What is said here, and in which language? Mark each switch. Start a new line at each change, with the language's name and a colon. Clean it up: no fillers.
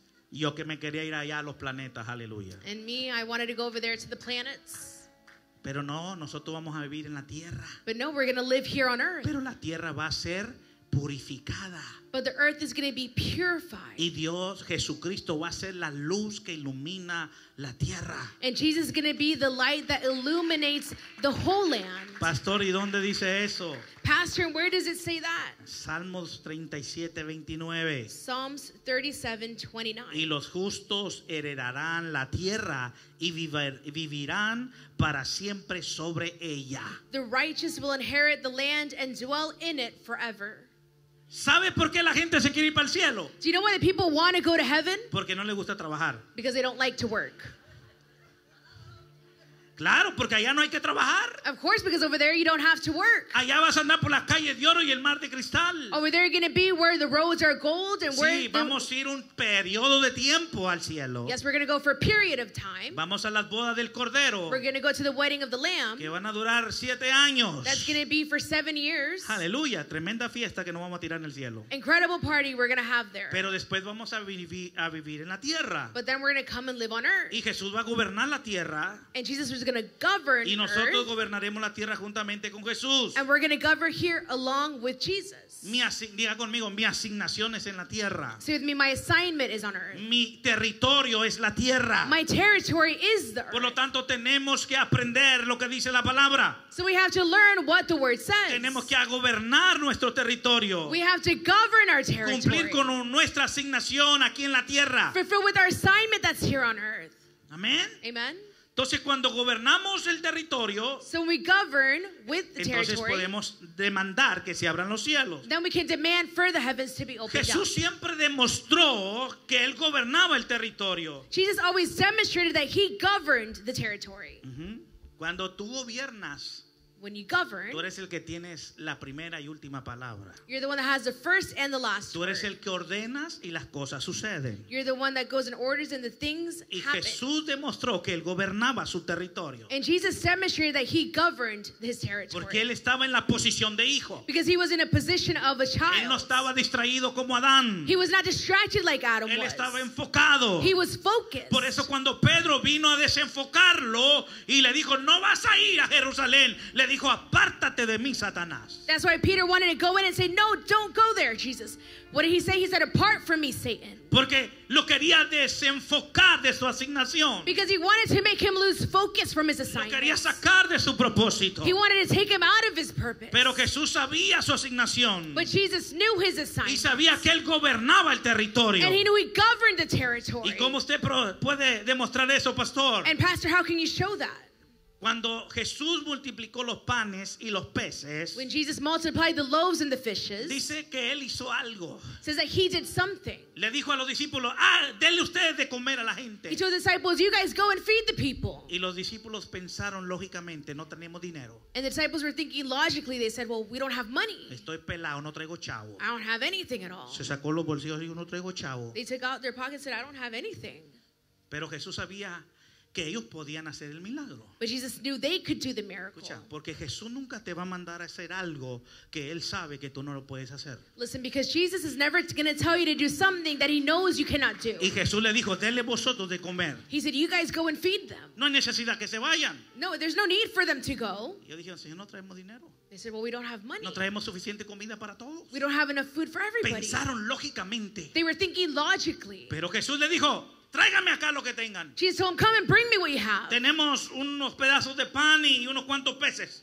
Spanish: Yo que me quería ir allá a los planetas, aleluya.
English: And me, I wanted to go over there to the planets.
Spanish: Pero no, nosotros vamos a vivir en la tierra.
English: But no, we're going to live here on earth.
Spanish: Pero la tierra va a ser purificada.
English: But the earth is going to be purified.
Spanish: Y Dios, Jesucristo, va a ser la luz que ilumina la tierra.
English: And Jesus is going to be the light that illuminates the whole land.
Spanish: Pastor, ¿y dónde dice eso?
English: Pastor, and where does it say that?
Spanish: Salmos 37, 29.
English: Psalms 37, 29.
Spanish: Y los justos heredarán la tierra y vivirán para siempre sobre ella.
English: The righteous will inherit the land and dwell in it forever.
Spanish: ¿Sabes por qué la gente se quiere ir para el cielo?
English: Do you know why the people want to go to heaven?
Spanish: Porque no le gusta trabajar.
English: Because they don't like to work.
Spanish: Claro, porque allá no hay que trabajar.
English: Of course, because over there you don't have to work.
Spanish: Allá vas a andar por las calles de oro y el mar de cristal.
English: Over there you're going to be where the roads are gold and
Spanish: sí,
English: where.
Spanish: Sí, vamos a ir un periodo de tiempo al cielo.
English: Yes, we're going to go for a period of time.
Spanish: Vamos a las bodas del Cordero.
English: We're going to go to the wedding of the Lamb.
Spanish: Que van a durar 7 años.
English: That's going to be for 7 years.
Spanish: Aleluya, tremenda fiesta que nos vamos a tirar en el cielo.
English: Incredible party we're going to have there.
Spanish: Pero después vamos a vivir en la tierra.
English: But then we're going to come and live on earth.
Spanish: Y Jesús va a gobernar la tierra.
English: And Jesus is going to govern
Spanish: y nosotros gobernaremos la tierra juntamente con Jesús.
English: And we're going to govern here along with Jesus.
Spanish: Diga conmigo, mi asignación es en la tierra.
English: Say with me, my assignment is on earth.
Spanish: Mi territorio es la tierra.
English: My territory is the earth.
Spanish: Por lo tanto, tenemos que aprender lo que dice la palabra.
English: So we have to learn what the word says.
Spanish: Tenemos que gobernar nuestro territorio.
English: We have to govern our territory.
Spanish: Cumplir con nuestra asignación aquí en la tierra.
English: Fulfill with our assignment that's here on earth.
Spanish: Amén.
English: Amen.
Spanish: Entonces cuando gobernamos el territorio,
English: so when we govern with the territory,
Spanish: entonces podemos demandar que se abran los cielos.
English: Then we can demand for the heavens to be opened.
Spanish: Jesús siempre demostró que él gobernaba el territorio.
English: Jesus always demonstrated that he governed the territory.
Spanish: Uh-huh. Cuando tú gobiernas,
English: when you govern,
Spanish: tú eres el que tienes la primera y última palabra.
English: You're the one that has the first and the last word.
Spanish: Tú eres
English: word.
Spanish: El que ordenas y las cosas suceden.
English: You're the one that goes and orders and the things
Spanish: y
English: happen.
Spanish: Y Jesús demostró que él gobernaba su territorio.
English: And Jesus demonstrated that he governed his territory.
Spanish: Porque él estaba en la posición de hijo.
English: Because he was in a position of a child.
Spanish: Él no estaba distraído como Adán.
English: He was not distracted like Adam
Spanish: él
English: was.
Spanish: Él estaba enfocado.
English: He was focused.
Spanish: Por eso cuando Pedro vino a desenfocarlo y le dijo, no vas a ir a Jerusalén, le dijo, apártate de mí, Satanás.
English: That's why Peter wanted to go in and say, no, don't go there, Jesus. What did he say? He said, apart from me, Satan.
Spanish: Porque lo quería desenfocar de su asignación.
English: Because he wanted to make him lose focus from his assignment.
Spanish: Lo quería sacar de su propósito.
English: He wanted to take him out of his purpose.
Spanish: Pero Jesús sabía su asignación.
English: But Jesus knew his assignment.
Spanish: Y sabía que él gobernaba el territorio.
English: And he knew he governed the territory.
Spanish: ¿Y cómo usted puede demostrar eso, pastor?
English: And pastor, how can you show that?
Spanish: Cuando Jesús multiplicó los panes y los peces,
English: when Jesus multiplied the loaves and the fishes,
Spanish: dice que él hizo algo.
English: Says that he did something.
Spanish: Le dijo a los discípulos, ah, denle ustedes de comer a la gente.
English: He told the disciples, you guys go and feed the people.
Spanish: Y los discípulos pensaron lógicamente, no tenemos dinero.
English: And the disciples were thinking logically, they said, well, we don't have money.
Spanish: Estoy pelado, no traigo chavo.
English: I don't have anything at all.
Spanish: Se sacó los bolsillos y no traigo chavo.
English: They took out their pockets and said, I don't have anything.
Spanish: Pero Jesús sabía que ellos podían hacer el milagro.
English: But Jesus knew they could do the miracle.
Spanish: Escucha, porque Jesús nunca te va a mandar a hacer algo que él sabe que tú no lo puedes hacer.
English: Listen, because Jesus is never going to tell you to do something that he knows you cannot do.
Spanish: Y Jesús le dijo, denle vosotros de comer.
English: He said, you guys go and feed them.
Spanish: No hay necesidad que se vayan.
English: No, there's no need for them to go.
Spanish: Yo dije, Señor, no traemos dinero.
English: They said, well, we don't have money.
Spanish: No traemos suficiente comida para todos.
English: We don't have enough food for everybody.
Spanish: Pensaron lógicamente.
English: They were thinking logically.
Spanish: Pero Jesús le dijo, tráigame acá lo que tengan.
English: Jesus told him, come and bring me what you have.
Spanish: Tenemos unos pedazos de pan y unos cuantos peces.